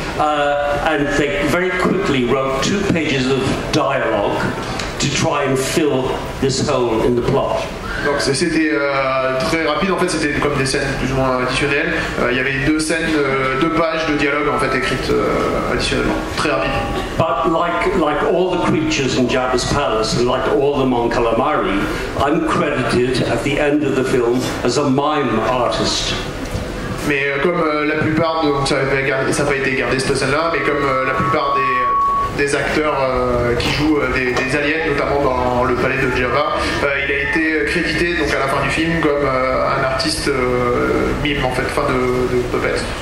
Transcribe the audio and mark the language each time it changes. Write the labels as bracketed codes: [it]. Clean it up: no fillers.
[en] And they very quickly wrote two pages of dialogue to try and fill this hole in the plot. [fr] Donc c'était très rapide, en fait c'était comme des scènes plus ou moins additionnelles. Il y avait deux scènes, deux pages de dialogue en fait écrites additionnellement, très rapide. [en] But like all the creatures in Jabba's palace and like all the Mon Calamari, I'm credited at the end of the film as a mime artist. [fr] Mais comme la plupart, donc ça n'a pas été gardé cette scène-là, mais comme la plupart des acteurs qui jouent des aliens, notamment dans le palais de Jabba, il a été crédité donc à la fin du film comme un artiste mime en fait, de puppets.